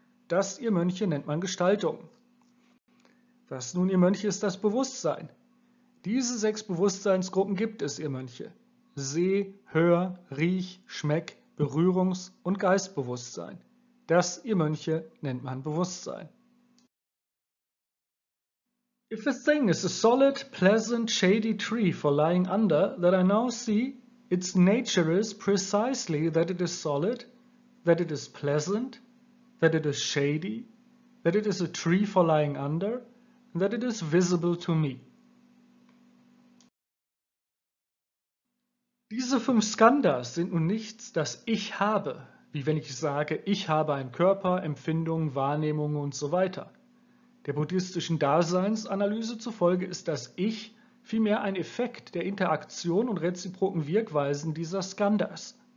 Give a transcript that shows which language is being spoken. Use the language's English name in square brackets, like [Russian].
[German] Das, ihr Mönche, nennt man Gestaltung. Was nun, ihr Mönche, ist das Bewusstsein? Diese sechs Bewusstseinsgruppen gibt es, ihr Mönche. Seh-, Hör-, Riech-, Schmeck-, Berührungs- und Geistbewusstsein. Das, ihr Mönche, nennt man Bewusstsein. [English] If a thing is a solid, pleasant, shady tree for lying under that I now see, its nature is precisely that it is solid, that it is pleasant, that it is shady, that it is a tree for lying under, and that it is visible to me. [German] Diese fünf Skandas sind nun nichts, das ich habe, wie wenn ich sage, ich habe einen Körper, Empfindungen, Wahrnehmungen und so weiter. Der buddhistischen Daseinsanalyse zufolge ist das Ich vielmehr ein Effekt der Interaktion und reziproken Wirkweisen dieser Skandas.